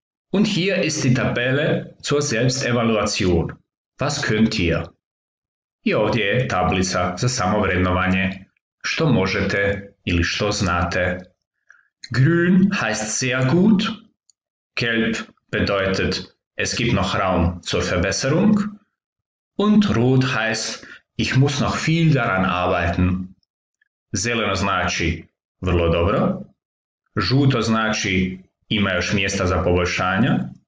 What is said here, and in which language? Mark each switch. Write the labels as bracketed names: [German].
[German] Und hier ist die Tabelle zur Selbstevaluation. Was könnt ihr? [Croatian] И ovdje je tablica za samovrednovanje. Što možete ili što znate? [German] Grün heißt sehr gut. Gelb bedeutet, es gibt noch Raum zur Verbesserung. Und rot heißt, ich muss noch viel daran arbeiten. [Croatian] Zeleno znači vrlo dobro. Žuto znači ima još mjesta za poboljšanja.